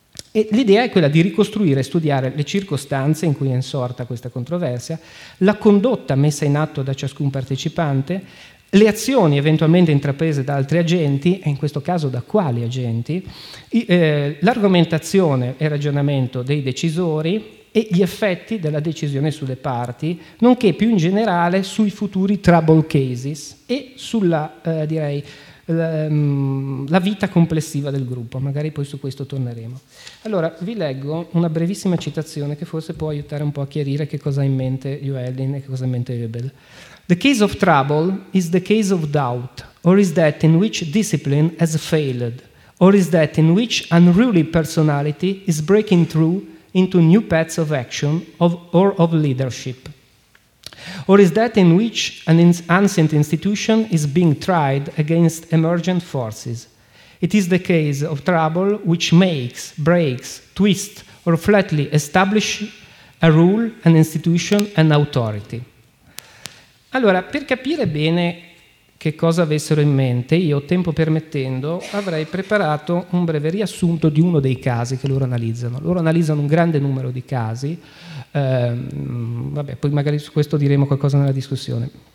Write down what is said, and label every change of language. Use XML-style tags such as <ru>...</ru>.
<it>E l'idea è quella di ricostruire e studiare le circostanze in cui è insorta questa controversia, la condotta messa in atto da ciascun partecipante, le azioni eventualmente intraprese da altri agenti, e in questo caso da quali agenti, l'argomentazione e il ragionamento dei decisori, e gli effetti della decisione sulle parti, nonché più in generale sui futuri trouble cases e sulla, la vita complessiva del gruppo. Magari poi su questo torneremo. Allora, vi leggo una brevissima citazione che forse può aiutare un po' a chiarire che cosa ha in mente Llewellyn e che cosa ha in mente Ebel.</it> <en>The case of trouble is the case of doubt, or is that in which discipline has failed, or is that in which unruly personality is breaking through into new paths of action or of leadership? Or is that in which an ancient institution is being tried against emergent forces? It is the case of trouble which makes, breaks, twists, or flatly establishes a rule, an institution, an authority.</en> <it>Allora, per capire bene che cosa avessero in mente, io, tempo permettendo, avrei preparato un breve riassunto di uno dei casi che loro analizzano. Loro analizzano un grande numero di casi, poi magari su questo diremo qualcosa nella discussione.</it>